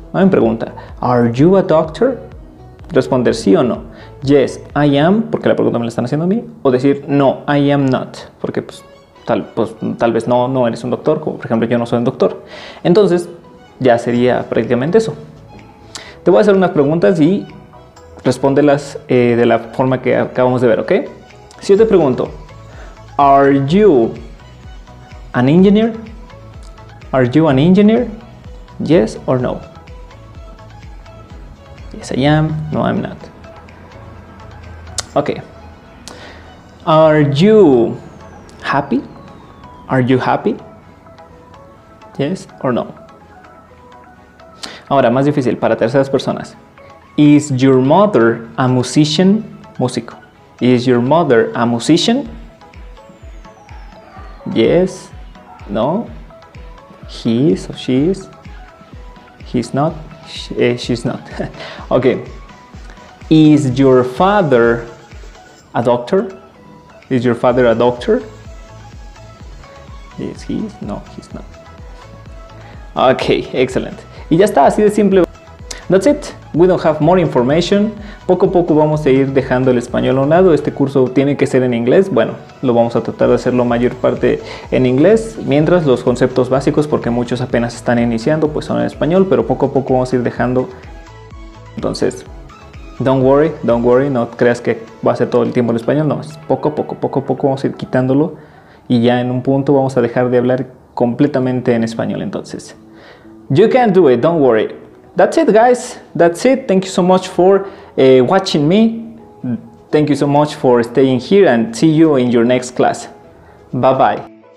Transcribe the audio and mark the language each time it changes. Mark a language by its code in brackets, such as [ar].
[es] A mí me pregunta, [en] are you a doctor? [es] Responder sí o no. [en] Yes, I am, [es] porque la pregunta me la están haciendo a mí. O decir, [en] no, I am not, [es] porque tal vez no eres un doctor, como por ejemplo yo no soy un doctor. Entonces, ya sería prácticamente eso. Te voy a hacer unas preguntas y respóndelas de la forma que acabamos de ver, ¿ok? Si yo te pregunto, [en] are you an engineer? Are you an engineer? Yes or no? Yes, I am. No, I'm not. Ok. Are you happy? Are you happy? Yes or no? [es] Ahora, más difícil para terceras personas. [en] Is your mother a musician? [es] Músico. [en] Is your mother a musician? Yes. No. He is or she is. He's not. She's not. Ok. Is your father a doctor? Is your father a doctor? Yes, he is. No, he's not. Ok, excellent. [es] Y ya está, así de simple. [en] That's it. We don't have more information. [es] Poco a poco vamos a ir dejando el español a un lado. Este curso tiene que ser en inglés. Bueno, lo vamos a tratar de hacer la mayor parte en inglés. Mientras los conceptos básicos, porque muchos apenas están iniciando, pues son en español. Pero poco a poco vamos a ir dejando. Entonces, [en] don't worry. [es] No creas que va a ser todo el tiempo en español. No, es poco a poco vamos a ir quitándolo. Y ya en un punto vamos a dejar de hablar completamente en español. [en] Entonces, you can do it. Don't worry. That's it, guys. That's it. Thank you so much for watching me. Thank you so much for staying here and see you in your next class. Bye-bye.